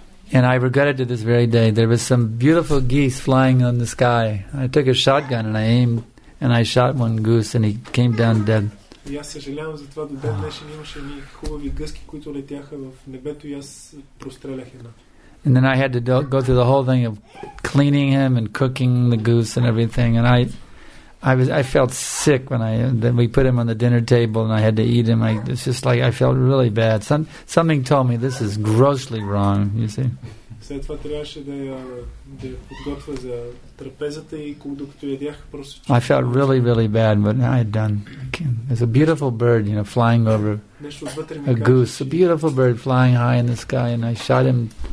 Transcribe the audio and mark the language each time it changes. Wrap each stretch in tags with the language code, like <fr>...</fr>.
<en>And I regret it to this very day. There was some beautiful geese flying on the sky. I took a shotgun and I aimed and I shot one goose and he came down dead.</en> <bg>И аз съжалявам за това, до ден днешен имаше ни хубави гъски, които летяха в небето и аз прострелях една.</bg> <en>And then I had to go through the whole thing of cleaning him and cooking the goose and everything. And I felt sick when we put him on the dinner table and I had to eat him. It's just like I felt really bad. Something told me this is grossly wrong, you see.</en> <bg>След това трябваше да я подготвя за трапезата и докато ядях, просто</bg> <en>I felt really, really bad, but I had done. It's a beautiful bird, you know, flying over a goose. A beautiful bird flying high in the sky, and I shot him.</en>